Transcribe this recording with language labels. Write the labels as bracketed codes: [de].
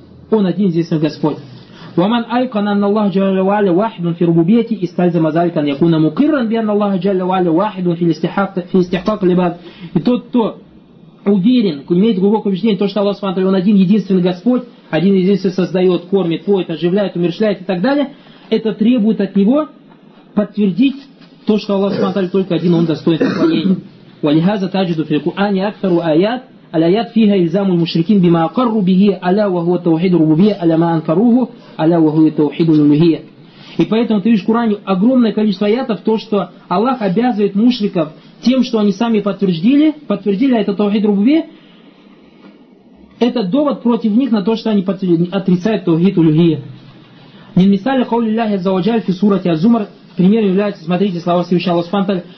[ru] Он один здесь Господь. [ar] وَمَنْ أَيْقَنَ أَنَّ اللَّهَ جَلَّ وَعَلَى وَاحِدٌ فِي رُبُوبِيَّتِهِ إِسْتَلْزَمَ ذَلِكَ أَنْ يَكُونَ مُقِرًّا بِأَنَّ اللَّهَ جَلَّ وَعَلَى وَاحِدٌ فِي الِاسْتِحْقَاقِ لِعِبَادِهِ. [ru] И тот, кто уверен, имеет глубокое убеждение, то, что Аллах Субхана Тааля, он один единственный Господь, один единственный создает, кормит, поет, оживляет, умерщвляет и так далее, это требует от него подтвердить то, что Аллах Субхана Тааля только один, он достоин поклонения. [ar] وَلِهَذَا تَجِدُ فِي الْقُرْآنِ أَكْثَرُ آيَاتٍ الآيات فيها إلزام المشركين بما أقروا به ألا وهو التوحيد الربوبية ألا ما أنكروه ألا وهو التوحيد الألوهية. [ru] И поэтому ты видишь в Коране огромное количество аятов, то, что Аллах обязывает мушриков тем, что они сами подтвердили это Таухид Рубубия, это довод против них на то, что они отрицают Таухид Улюхия. [ar] Мин мисали каули ллахи азза ва джаль фи сурати аз-зумар. [ru] Пример является, смотрите, слова Всевышнего Аллаха Субхана Тааля.